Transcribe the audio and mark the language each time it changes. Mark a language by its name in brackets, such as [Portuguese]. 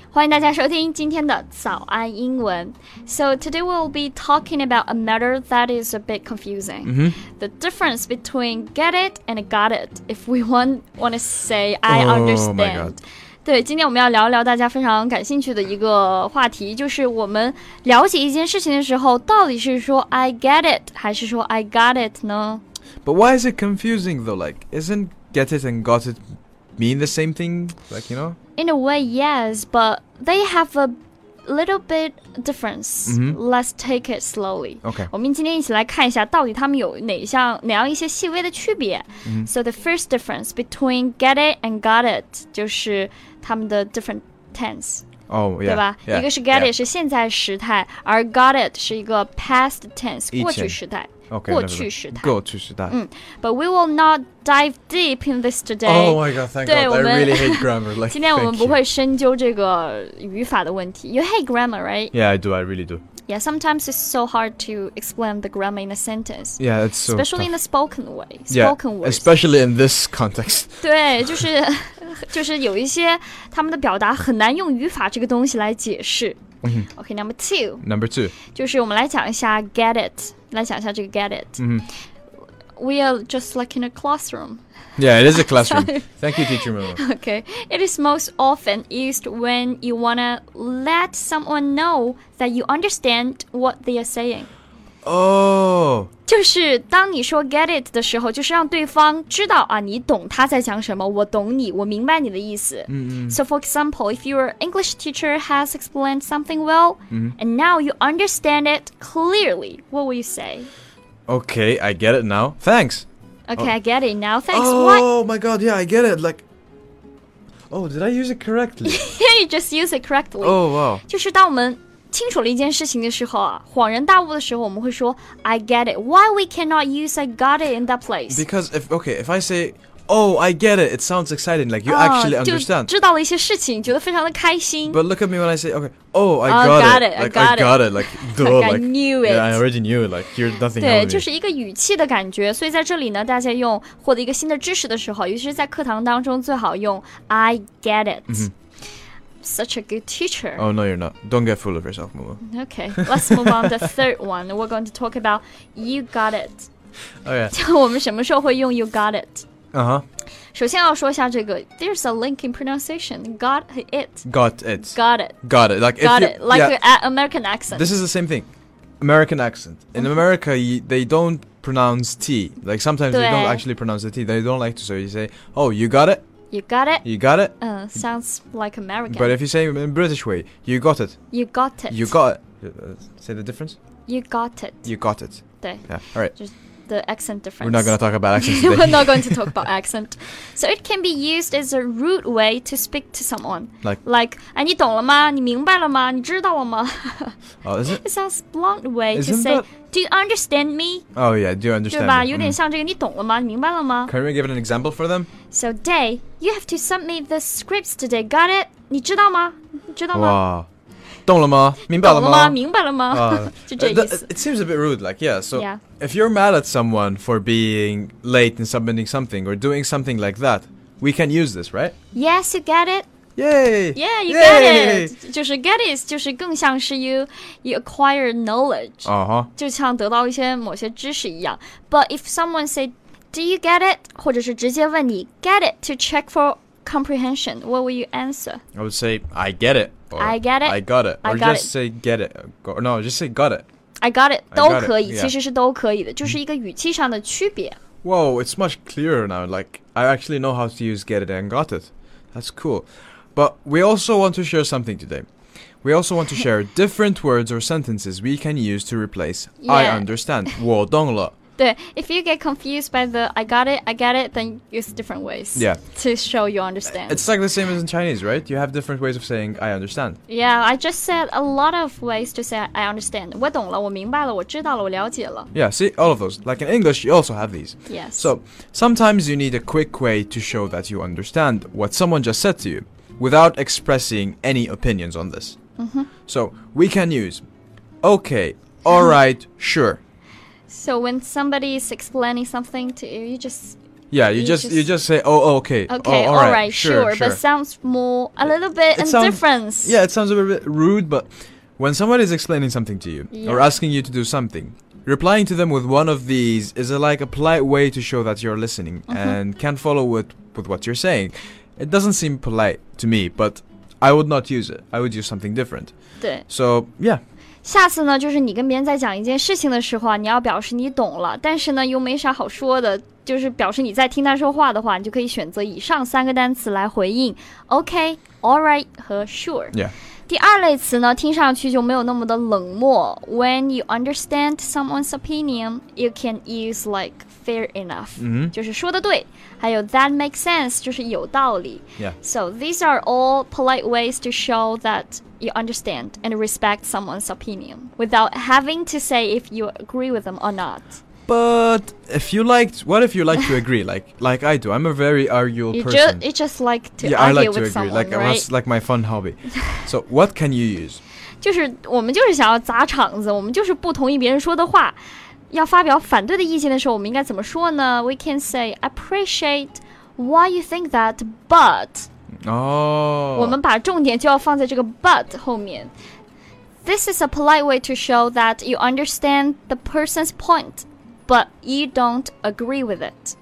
[Chinese] 欢迎大家收听今天的早安英文。 [English] So today we'll be talking about a matter that is a bit confusing. Mm-hmm. The difference between get it and got it, if we want to say I understand. Oh my god. [Chinese] 对，今天我们要聊聊大家非常感兴趣的一个话题，就是我们了解一件事情的时候，到底是说 I get it 还是说 I got it 呢？ [English] But why is it confusing though? Like, isn't get it and got it mean the same thing? Like, you know? In a way, yes, but they have a little bit difference. Mm-hmm. Let's take it slowly. Okay. [Chinese] 我们今天一起来看一下到底他们有哪样一些细微的区别。 Mm-hmm. [English] So the first difference between get it and got it [Chinese] 就是他们的 [English] different tense. Oh, yeah. [Chinese] 对吧 [English] yeah, [Chinese] 一个是 get it 是现在时态、 [English] yeah. [Chinese] 而 got it 是一个 past tense, 过去时态。 [English] Okay, [Chinese] 过去时代。过去时代。嗯。 [English] But we will not dive deep in this today. Oh my god, thank god. I really hate grammar. Like, [Chinese] 今天我们不会深究这个语法的问题。 [English] You hate grammar, right? Yeah, I do. I really do. Yeah, sometimes it's so hard to explain the grammar in a sentence. Yeah, it's so Especially、 In the spoken way. Spoken yeah, words. Especially in this context. [Chinese] 对，就是有一些他们的表达很难用语法这个东西来解释。 Mm-hmm. [English] Okay, number two. Number two. [Chinese] 就是我们来讲一下 get it. 来想一下这个 get it、 mm-hmm. [English] We are just like in a classroom Yeah, it is a classroom Thank you, teacher Momo Okay, it is most often used when you wanna let someone know that you understand what they are saying Oh [Chinese] 就是当你说 get it 的时候就是让对方知道啊，你懂他在讲什么我懂你我明白你的意思、 mm-hmm. [English] So for example, if your English teacher has explained something well、 mm-hmm. And now you understand it clearly What will you say? Okay, I get it now, thanks Okay,、oh. I get it now, thanks Oh、 What? My god, yeah, I get it, likeOh, did I use it correctly? Yeah, you just use it correctly Oh, wow [Chinese] 就是当我们清楚了一件事情的时候啊，恍然大悟的时候，我们会说 I get it. [English] Why we cannot use I got it in that place? Because if I say, oh, I get it, it sounds exciting, like you actually understand. [Chinese] 就知道了一些事情，觉得非常的开心。 [English] But look at me when I say, okay, oh, I got it. Like, duh, like, I knew it. Yeah, I already knew it. Like, you're nothing else. [Chinese] 对，就是一个语气的感觉。所以在这里呢，大家用获得一个新的知识的时候，尤其是在课堂当中，最好用 I get it.、 Mm-hmm. [English] Such a good teacher. Oh, no, you're not. Don't get full of yourself, Momo. Okay, let's move on to the third one. We're going to talk about you got it. Oh, yeah. [Chinese] 就我们什么时候会用 you got it? Uh-huh. 首先要说一下这个 [English] there's a link in pronunciation. Got it. Got it. Got it. Got it. Like, got if it. Like yeah, American accent. This is the same thing. American accent. In America, they don't pronounce T. Like, sometimes they don't actually pronounce the T. They don't like to. So you say, oh, you got it? You got it. You got it. Sounds like American. But if you say in British way, you got it. You got it. You got it. Say the difference. You got it. You got it. [Chinese] 对 [English] Yeah. All right. Just the accent difference. We're not going to talk about accent. We're not going to talk about accent. So it can be used as a rude way to speak to someone. Like, [Chinese] 哎，你懂了吗？你明白了吗？你知道了吗？ [English] Oh, is it? It sounds blunt way to say, do you understand me? Oh yeah, do you understand? [Chinese] 对吧？有点像这个，你懂了吗？你明白了吗？ [English] Can we give an example for them? So Day. You have to submit the scripts today. Got it? [Chinese] 你知道吗？你知道吗？哇，懂了吗？明白了吗？懂了吗？明白了吗？就这意思。 [English] It seems a bit rude. Like, yeah. So, yeah. If you're mad at someone for being late in submitting something or doing something like that, we can use this, right? Yes, you get it. Yay! Yeah, you get it. 就是 get it [Chinese] 就是更像是 [English] you acquire knowledge. Uh-huh. [Chinese] 就像得到一些某些知识一样。 [English] But if someone said,Do you get it? [Chinese] 或者是直接问你 [English] get it to check for comprehension. What will you answer? I would say, I get it. I get it. I got it. I got or just it. Say get it. No, just say got it. I got it. [Chinese] 都可以 [English] it,、yeah. [Chinese] 其实是都可以的就是一个语气上的区别。 [English] Whoa, it's much clearer now. Like, I actually know how to use get it and got it. That's cool. But we also want to share something today. We also want to share different words or sentences we can use to replace、 yeah. I understand. [Chinese] 我懂了。 [English] 对 if you get confused by the I got it, then use different ways、 yeah. to show you understand. It's like the same as in Chinese, right? You have different ways of saying I understand. Yeah, I just said a lot of ways to say I understand. [Chinese] 我懂了我明白了我知道了我了解了 [English] Yeah, see, all of those. Like in English, you also have these. Yes. So, sometimes you need a quick way to show that you understand what someone just said to you without expressing any opinions on this.、 Mm-hmm. So, we can use okay, all right, sure. So when somebody is explaining something to you, you just Yeah, you just say, oh, okay. Okay, oh, all right, sure. But sounds more, a little bit indifference. Yeah, it sounds a little bit rude, but when someone is explaining something to you, yeah, or asking you to do something, replying to them with one of these is like a polite way to show that you're listening, mm-hmm, and can follow with what you're saying. It doesn't seem polite to me, but I would not use it. I would use something different. [Chinese] 对。 [English] So, yeah. [Chinese] 下次呢就是你跟别人在讲一件事情的时候啊，你要表示你懂了，但是呢又没啥好说的，就是表示你在听他说话的话，你就可以选择以上三个单词来回应 OK, alright 和 sure、 [English] yeah. [Chinese] 第二类词呢听上去就没有那么的冷漠 [English] When you understand someone's opinion you can use like fair enough、 mm-hmm. [Chinese] 就是说的对还有 [English] that makes sense [Chinese] 就是有道理、 [English] yeah. So these are all polite ways to show thatYou understand and respect someone's opinion without having to say if you agree with them or not. But if you liked, what if you like to agree? Like I do. I'm a very arguable person. You just like to yeah, argue I like with to agree. Someone, like, right? That's like my fun hobby. So what can you use? [Chinese] 就是我们就是想要砸场子，我们就是不同意别人说的话。要发表反对的意见的时候，我们应该怎么说呢？ [English] We can say, I appreciate why you think that, but... [Chinese] 我们把重点就要放在这个 but 后面 [English] This is a polite way to show that you understand the person's point But you don't agree with it、